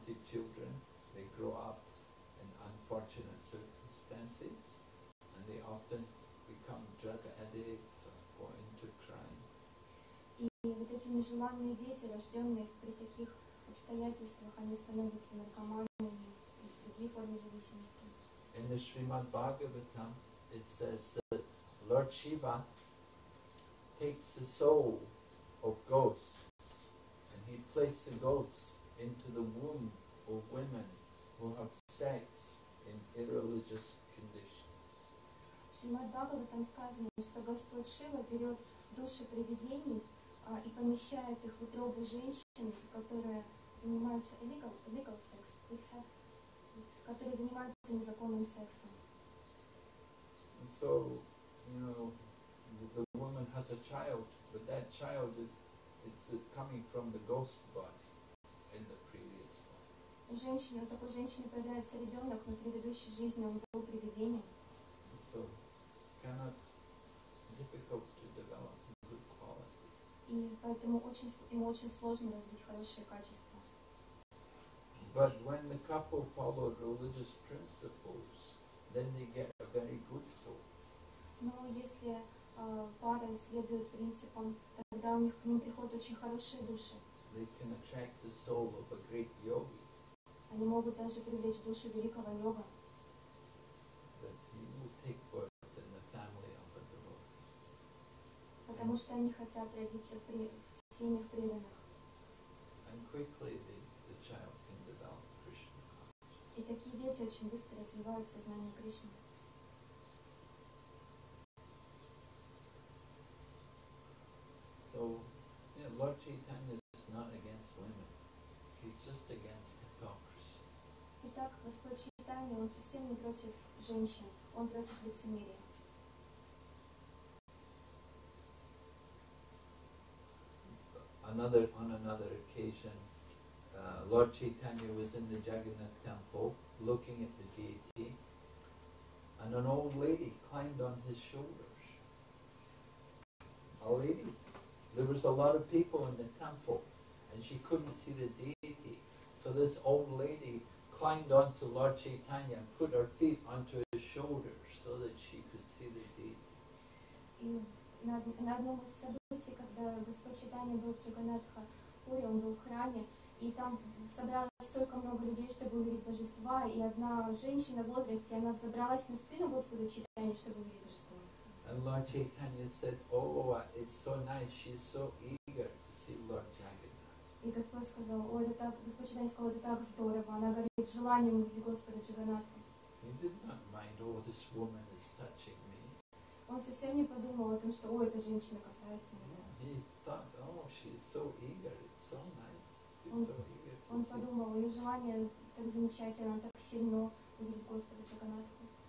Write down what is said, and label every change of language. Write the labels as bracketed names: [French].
[English] Children, they grow up in unfortunate circumstances and they often become drug addicts or go into crime. [Russian] И вот эти нежеланные дети, рожденные при таких обстоятельствах, они становятся наркоманами и другие формы зависимости. [English] In the Srimad Bhagavatam it says that Lord Shiva takes the soul of ghosts and he places the ghosts into the womb of women who have sex in irreligious conditions. [Russian] Шримад Бхагаватам сказано, что Господь Шива берет души привидений и помещает их в утробу женщин, которые занимаются [English] illegal sex, [Russian] которые занимаются незаконным сексом. [English] So, you know, the woman has a child, but that child is coming from the ghost body in the previous life. [Russian] У женщины, у такой женщины появляется ребенок, но в предыдущей жизни он был привидением. [English] So, cannot difficult to develop good qualities. [Russian] И поэтому ему очень сложно развить хорошие качества. [English] But when the couple follows religious principles, then they get a very good soul. [Russian] Но если пара следует принципам, тогда у них к ним приходят очень хорошие души. [English] They can attract the soul of a great yogi. [Russian] Они могут даже привлечь душу великого йога. [English] That he will take birth in the family of a devotee. [Russian] Потому что они хотят родиться в семье преданных. [English] And quickly the child can develop Krishna consciousness. [Russian] И такие дети очень быстро развивают сознание Кришны. [English] So, you know, Lord Chaitanya is not against women. He's just against hypocrisy. [Russian] Итак, Господь Чайтанья, он совсем не против женщин, он против лицемерия. [English] On another occasion, Lord Chaitanya was in the Jagannath temple looking at the deity, and an old lady climbed on his shoulders. A lady. There was a lot of people in the temple, and she couldn't see the deity. So this old lady climbed onto Lord Chaitanya and put her feet onto his shoulders so that she could see the deity. [Russian] И на одном из событий, когда Господь Чайтанья был в Джаганнатхапуре, он был в храме, и там собралось столько много людей, чтобы увидеть божества, и одна женщина в возрасте, она взобралась на спину Господа Чайтанья, чтобы увидеть божества. [English] And Lord Chaitanya said, "Oh, it's so nice. She's so eager to see Lord Jagannath." [Russian] И Господь сказал, "О, это так, Господь Чайтанья сказал, это так здорово. Она горит желанием увидеть Господа Джаганнатха." [English] He did not mind, "Oh, this woman is touching me." [Russian] Он совсем не подумал о том, что, "О, эта женщина касается меня." [English] He thought, "Oh, she's so eager. It's so nice. She's so eager." [Russian] Он подумал, ее желание так замечательно, так сильно увидеть Господа Джаганнатха.